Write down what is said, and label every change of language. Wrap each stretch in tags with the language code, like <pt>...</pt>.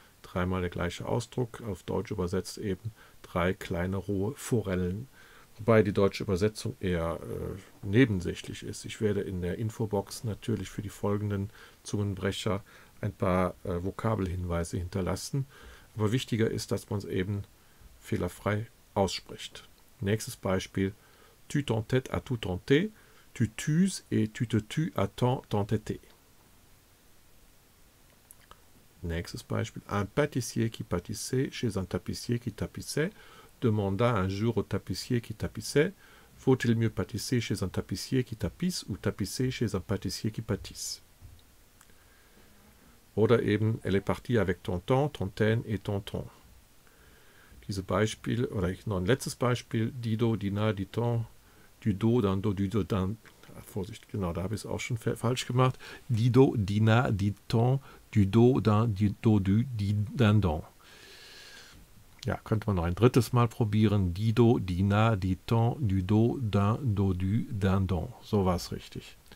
<de>Dreimal der gleiche Ausdruck, auf Deutsch übersetzt eben drei kleine rohe Forellen. Wobei die deutsche Übersetzung eher nebensächlich ist. Ich werde in der Infobox natürlich für die folgenden Zungenbrecher ein paar Vokabelhinweise hinterlassen. Aber wichtiger ist, dass man es eben fehlerfrei ausspricht. Nächstes Beispiel:</de> <fr>Tu t'entêtes à tout tenter, tu tues et tu te tues à tant t'entêter.</fr> <de>Nächstes Beispiel:</de> <fr>Un pâtissier qui pâtissait chez un tapissier qui tapissait demanda un jour au tapissier qui tapissait: Faut-il mieux pâtisser chez un tapissier qui tapisse ou tapisser chez un pâtissier qui pâtisse?</fr> <de>Oder eben:</de> <fr>Elle est partie avec tonton, tontaine et tonton.</fr> <de>Diese Beispiel, oder noch ein letztes Beispiel: Dido, Dina, Diton, Dudo, Dando, Dudo, Dan. Vorsicht, genau, da habe ich es auch schon falsch gemacht. Dido, Dina, Diton, Dudo, Dan, Dido, Dandon. Ja, könnte man noch ein drittes Mal probieren. Dido, Dina, Diton, Dudo, Dan, Dodu, Dandon. So war es richtig.</de>